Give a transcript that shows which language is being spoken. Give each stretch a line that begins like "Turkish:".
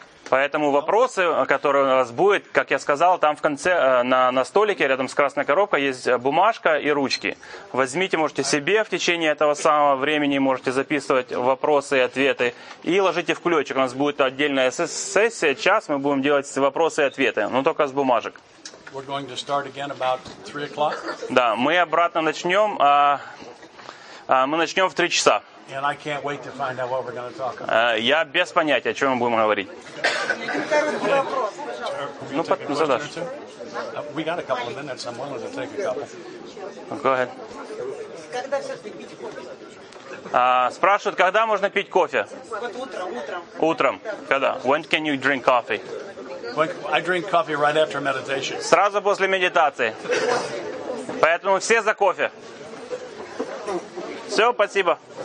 Russian: Поэтому вопросы, которые у вас будут, как я сказал, там в конце, на столике рядом с красной коробкой есть бумажка и ручки. Возьмите, можете себе в течение этого самого времени, можете записывать вопросы и ответы и ложите в кулечек. У нас будет отдельная сессия, час мы будем делать вопросы и ответы, но только с бумажек.
English: We're going to start again about 3 o'clock.
Russian: Да, мы обратно начнем, мы начнем в 3 часа.
English: And I can't wait to find out what we're going to talk about.
Russian: Я без понятия, о чем мы будем говорить. Ну, задашь.
English: We got a couple of minutes. I'm willing to take a couple. Go ahead.
Russian: Когда все-таки пить кофе? Спрашивают, когда можно пить кофе? Вот утром. Утром. Когда?
English: When can you drink coffee? When I drink coffee right after meditation.
Russian: Сразу после медитации. Поэтому все за кофе. Все, спасибо.